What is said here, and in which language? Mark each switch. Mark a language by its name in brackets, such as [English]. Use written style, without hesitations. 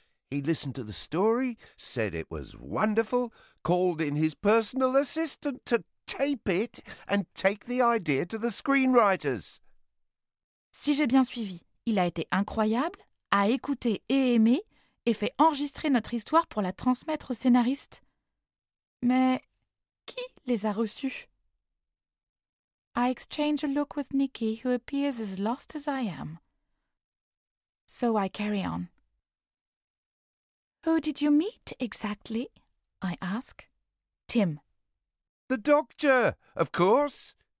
[English] He listened to the story, said it was wonderful, called in his personal assistant to tape it and take the idea to the screenwriters. [French] Si j'ai bien suivi, Il a été incroyable, a écouté et aimé, et fait enregistrer notre histoire pour la transmettre aux scénaristes. Mais qui les a reçus? [English] I exchange a look with Nikki, who appears as lost as I am. So I carry on. Who did you meet exactly? I ask. Tim. The doctor, of course.